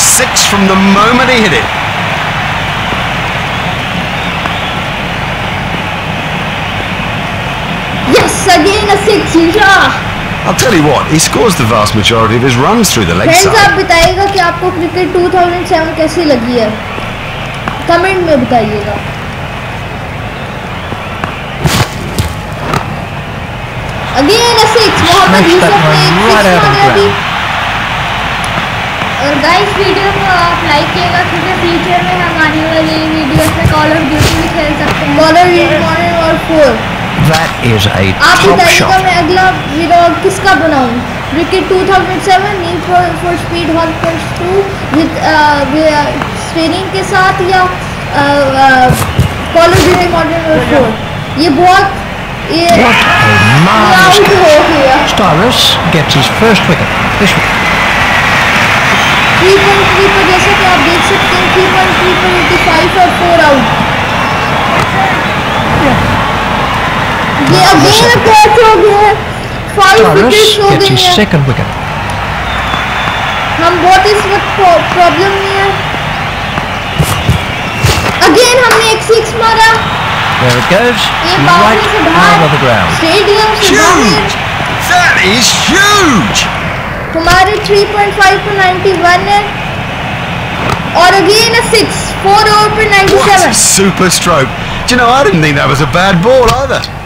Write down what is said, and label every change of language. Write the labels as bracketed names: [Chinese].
[English] 6 from the moment he hit it. Yes, again a 6. I'll tell you what, he scores the vast majority of his runs through the leg Friends, [Hindi] Friends, आप बताइएगा कि आपको cricket 2007 कैसी लगी है? Comment में बताइएगा। [English] Again a 6, [Hindi] Mohammad Yusuf ने 6 मार दिया। गाइस वीडियो को आप लाइक कीजिएगा क्योंकि फ्यूचर में हम आने वाली वीडियोस में कॉल ऑफ ड्यूटी भी खेल सकते हैं। [English] modern video modern और 4 That is a top [Hindi] shot. आप बताइएगा मैं अगला वीडियो किसका बनाऊं? Cricket 2007 need for speed 1.2 with spinning के साथ या कॉल ऑफ ड्यूटी मॉडर्न और 4 ये बहुत [English] What a marvelous catch. Stylus gets his first wicket this week. [Hindi] Keeper, जैसे कि आप देख सकते हैं, keeper 85 और 4 out. ये [English] again a catch [Hindi] हो गया है. 5 wickets हो गए हैं. [English] Stylus gets his second wicket. [Hindi] हम बहुत इस वक्त problem में हैं. Again हमने एक 6 मारा. [English] There it goes, right out of the ground. Huge! That is huge! Humare 3.5 for 91 and again a 6, 4 over for 97. What a super stroke! Do you know, I didn't think that was a bad ball either.